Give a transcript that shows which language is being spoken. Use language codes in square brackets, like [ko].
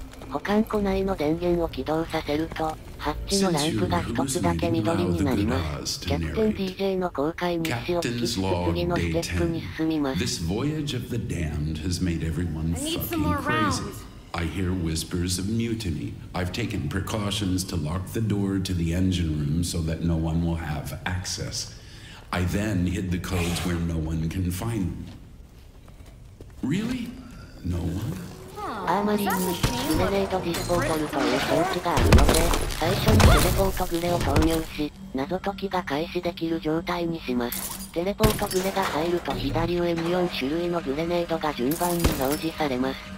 [ja] 保管庫内の電源を起動させると、ハッチのランプが一つだけ緑になります。キャプテン DJ の公開日誌を引き継ぐ次のステップに進みます。 [en] This voyage of the damned has made everyone fucking crazy. I hear whispers of mutiny. I've taken precautions to lock the door to the engine room so that no one will have access. I then hid the codes where no one can find them. Really? No one? [ja] アーマリーにグレネードディスポーザルという装置があるので、最初にテレポートグレを投入し、謎解きが開始できる状態にします。テレポートグレが入ると左上に4種類のグレネードが順番に表示されます。